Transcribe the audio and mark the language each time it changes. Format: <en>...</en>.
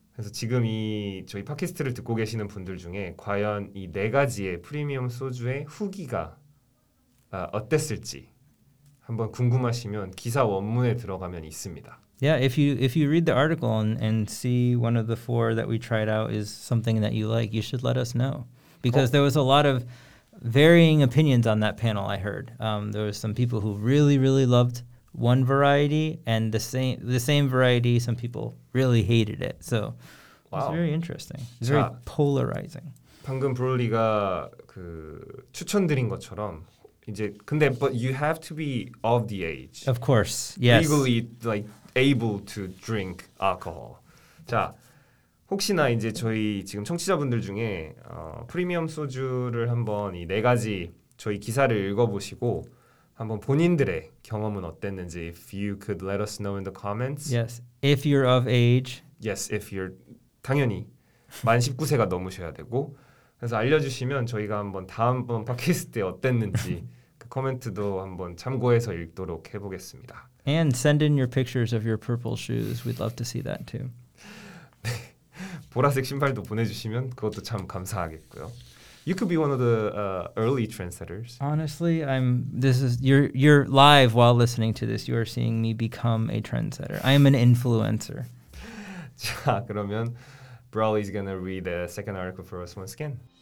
<ko>그래서 지금 이 저희 팟캐스트를 듣고 계시는 분들 중에 과연 이 네 가지의 프리미엄 소주의 후기가 어땠을지 한번 궁금하시면 기사 원문에 들어가면 있습니다.</ko> <en>Yeah, if you read the article and see one of the four that we tried out is something that you like, you should let us know. Because there was a lot of varying opinions on that panel, I heard. There was some people who really, really loved one variety, and the same variety, some people really hated it. So wow. It's very interesting. It's very polarizing.</en> <ko>방금 브롤리가 그 추천드린 것처럼 이제 근데</ko> <en>but you have to be of the age. Of course, yes. Legally, like able to drink alcohol.</en> <ko>자 혹시나 이제 저희 지금 청취자분들 중에 프리미엄 소주를 한번 이 네 가지 저희 기사를 읽어보시고 한번 본인들의 경험은 어땠는지</ko> <en>if you could let us know in the comments. Yes, if you're of age. Yes, if you're</en> <ko>당연히 만 19세가 넘으셔야 되고 그래서 알려주시면 저희가 한번 다음번 팟캐스트 때 어땠는지 그 코멘트도 한번 참고해서 읽도록 해보겠습니다.</ko> <en>And send in your pictures of your purple shoes. We'd love to see that too.</en> <ko>보라색 신발도 보내주시면 그것도 참 감사하겠고요.</ko> <en>You could be one of the early trendsetters. Honestly, you're live while listening to this. You are seeing me become a trendsetter. I am an influencer.</en> <ko>자, 그러면</ko> <en>Brawley is going to read the second article for us once again.</en>